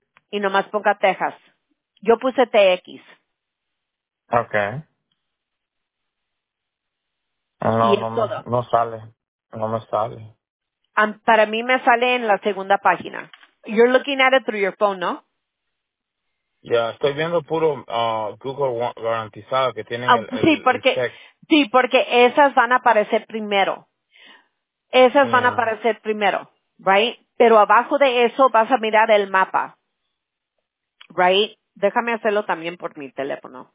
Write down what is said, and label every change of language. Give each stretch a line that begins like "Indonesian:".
Spanish: Y nomás ponga Texas. Yo puse TX. Okay. No, no sale. No me sale. Para mí me sale en la segunda página.
English: You're looking at it through your phone, ¿no?
Spanish: Ya, yeah, estoy viendo puro Google garantizado que tienen el check. Sí, porque esas van a aparecer primero. Esas van a aparecer primero, right? Pero abajo de eso vas a mirar el mapa. Right? Déjame hacerlo también por mi teléfono.